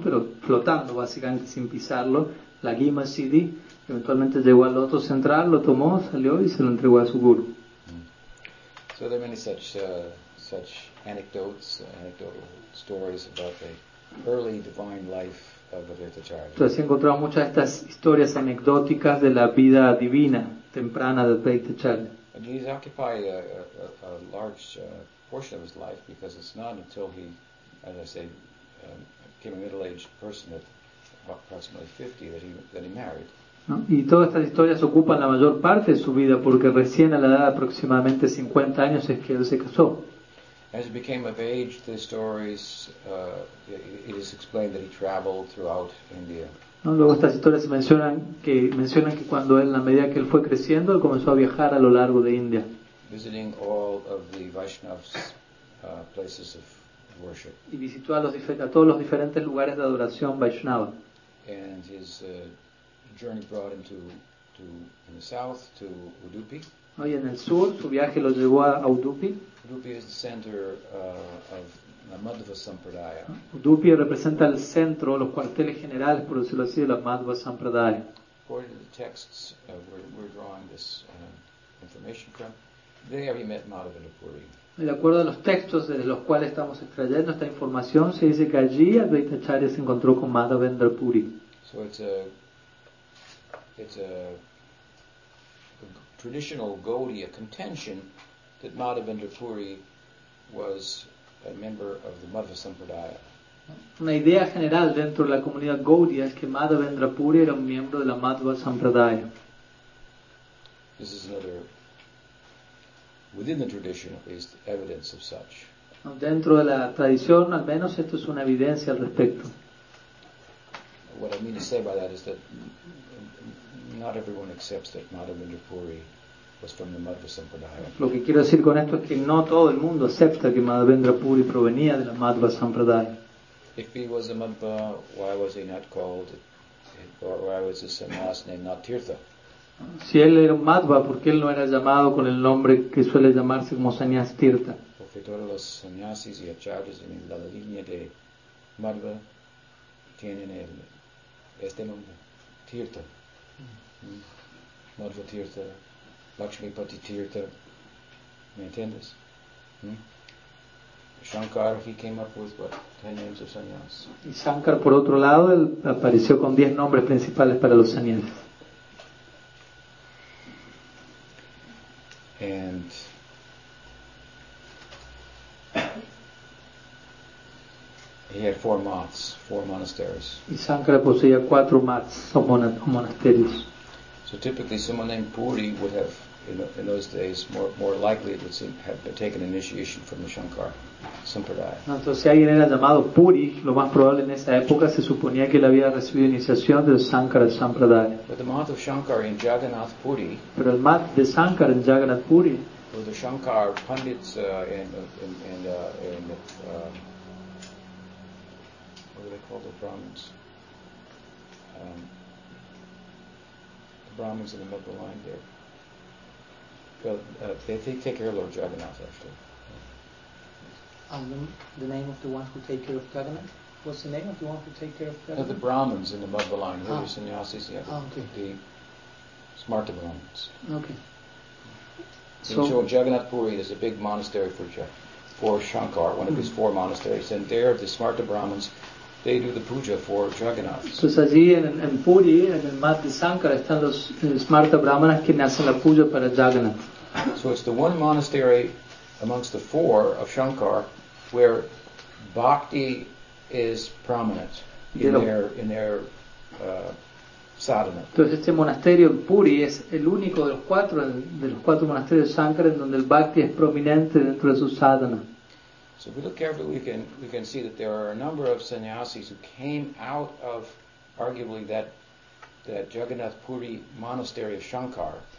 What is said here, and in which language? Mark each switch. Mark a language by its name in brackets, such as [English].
[Spanish] Pero flotando básicamente sin pisarlo. La Gima Siddhi eventualmente llegó al loto central, lo tomó, salió y se lo entregó a su guru. [English] So there are many such such anecdotes, anecdotal stories about the early divine life of Advaita Charya. [Spanish] Entonces encontramos muchas de estas historias anecdóticas de la vida divina temprana de Advaita Charya. [English] And he's occupied a large portion of his life, because it's not until he, as I say, became a middle-aged person at approximately 50 that he married. [Spanish] ¿No? Y todas estas historias ocupan la mayor parte de su vida, porque recién a la edad de aproximadamente 50 años es que él se casó. [English] As he became of age, the stories, it is explained that he traveled throughout India. [Spanish] ¿No? Luego estas historias mencionan que cuando él, a medida que él fue creciendo, él comenzó a viajar a lo largo de India. [English] Visiting all of the Vaishnavas, places of worship. [Spanish] Y visitó a todos los diferentes lugares de adoración Vaishnava. [English] And his journey brought him in the south to Udupi. [Spanish] Hoy en el sur, su viaje lo llevó a Udupi. [English] Udupi is the center of the Madhva Sampradaya. [Spanish] Udupi representa el centro, los cuarteles generales, por decirlo así, de la Madhva Sampradaya. [English] According to the texts we're drawing this information from, there he met Madhavanapuri. [Spanish] De acuerdo a los textos de los cuales estamos extrayendo esta información, se dice que allí Advaita Charya se encontró con Madhavendrapuri. [English] So it's a traditional Gaudiya contention that Madhavendrapuri was a member of the Madhva Sampradaya. [Spanish] Una idea general dentro de la comunidad Gaudiya es que Madhavendrapuri era un miembro de la Madhva Sampradaya. [English] This is another, within the tradition, at least, evidence of such. [Spanish] Dentro de la tradición, al menos, esto es una evidencia al respecto. [English] What I mean to say by that is that not everyone accepts that Madhavendrapuri was from the Madhva Sampradaya. [Spanish] Lo que quiero decir con esto es que no todo el mundo acepta que Madhavendrapuri provenía de la Madhva Sampradaya. [English] If he was a Madhva, why was he not called, or why was his sannyas name not Tirtha? [Spanish] Si él era un Madhva, ¿por qué él no era llamado con el nombre que suele llamarse como Sanyas Tirtha? Porque todos los sanyasis y acharyas en la línea de Madhva tienen este nombre, Tirtha. Madhva Tirtha, Lakshmipati Tirtha, ¿me entiendes? [English] Shankar, he came up with what, 10 names of sanyas. [Spanish] Y Shankar, por otro lado, él apareció con 10 nombres principales para los sanyas. [English] And he had four moths, four monasteries. [Spanish] Y Shankara poseía cuatro moths, o monasterios. [English] So typically someone named Puri would have, in those days, more likely it would seem, have taken initiation from the Shankara Sampradaya. [Spanish] Entonces si alguien era llamado Puri, lo más probable en esa época se suponía que él había recibido iniciación del Shankara Sampradaya. [English] But the moth of Shankara in Jagannath Puri, [Spanish] pero el moth de Shankara en Jagannath Puri, [English] were the Shankara pundits and what do they call the Brahmins? The Brahmins in the middle of the line there. Well, they take care of Lord Jagannath, actually. The name of the one who take care of Jagannath? What's the name of the one who take care of Jagannath? No, the Brahmins in the Madhva line, the sannyasis, yeah. The Smarta Brahmins. Okay. So Jagannath Puri is a big monastery for Shankar, one of his four monasteries, and there the Smarta Brahmins, they do the puja for Jagannath. [Spanish] So allí en Puri, en el Madhva Sankara, están los Smarta Brahmanas que hacen la puja para Jagannath. [English] So it's the one monastery amongst the four of Shankar where bhakti is prominent in their sadhana. [Spanish] Entonces este monasterio en Puri es el único de los cuatro monasterios de Shankar en donde el bhakti es prominente dentro de su sadhana. [English] So if we look carefully, we can see that there are a number of sannyasis who came out of arguably that Jagannath Puri monastery of Shankar.